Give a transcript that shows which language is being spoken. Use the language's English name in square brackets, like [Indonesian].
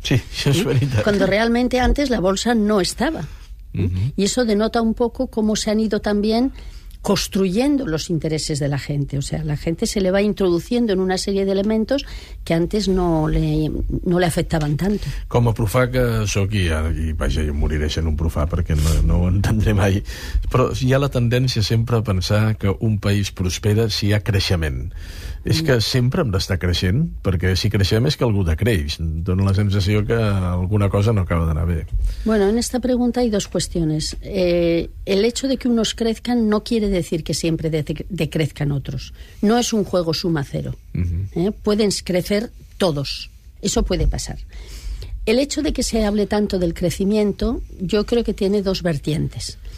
[Spanish] Sí, eso es verdad. Cuando realmente antes la bolsa no estaba. Uh-huh. Y eso denota un poco cómo se han ido también... construyendo los intereses de la gente. O sea, la gente se le va introduciendo en una serie de elementos que antes no le afectaban tanto. [Catalan] Com a profà que sóc, i vaja, jo moriré sent un profà perquè no ho entendré mai, però hi ha la tendència sempre a pensar que un país prospera si hi ha creixement. És que sempre hem d'estar creixent, perquè si creixem és que algú decreix. Dóna la sensació que alguna cosa no acaba d'anar bé. [Spanish] Bueno, en esta pregunta hay dos cuestiones. El hecho de que unos crezcan no quiere decir que siempre decrezcan otros. No es un juego suma cero. Uh-huh. Pueden crecer todos. Eso puede pasar. El hecho de que se hable tanto del crecimiento, yo creo que tiene dos vertientes.